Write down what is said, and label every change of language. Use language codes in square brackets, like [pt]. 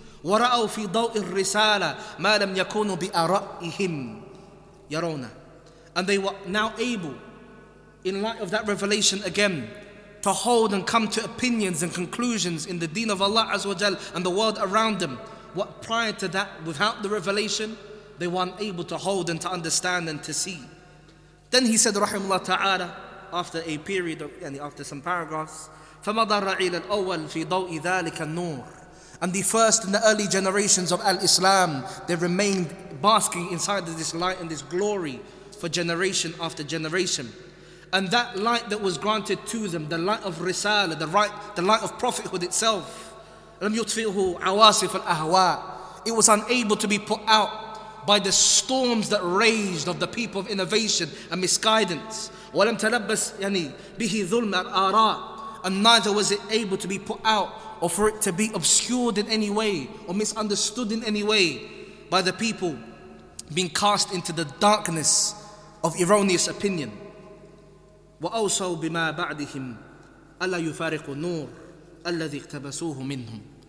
[ar] وَرَأَوْا فِي ضَوْءِ الرِّسَالَةِ مَا لَمْ يَكُونُوا بِأَرَأِهِمْ يَرَوْنَ, [en] and they were now able, in light of that revelation again, to hold and come to opinions and conclusions in the deen of Allah Azza wa Jal and the world around them, what prior to that, without the revelation, they were unable to hold and to understand and to see. Then he said, rahimahullah ta'ala, after a period, after some paragraphs, [ar] فمضى الرعيل الأول في ضوء ذلك النور. [en] And the first in the early generations of Al-Islam, they remained basking inside of this light and this glory for generation after generation. And that light that was granted to them, the light of Risala, the light of prophethood itself, [ar] لم يطفئه عواصف الأهواء, [en] it was unable to be put out by the storms that raged of the people of innovation and misguidance. [ar] ولم تلبس يعني به ظلم الآراء, [en] and neither was it able to be put out or for it to be obscured in any way or misunderstood in any way by the people being cast into the darkness of erroneous opinion. [ar] وأوصوا بما بعدهم ألا يفارقوا النور الذي اقتبسوه منهم.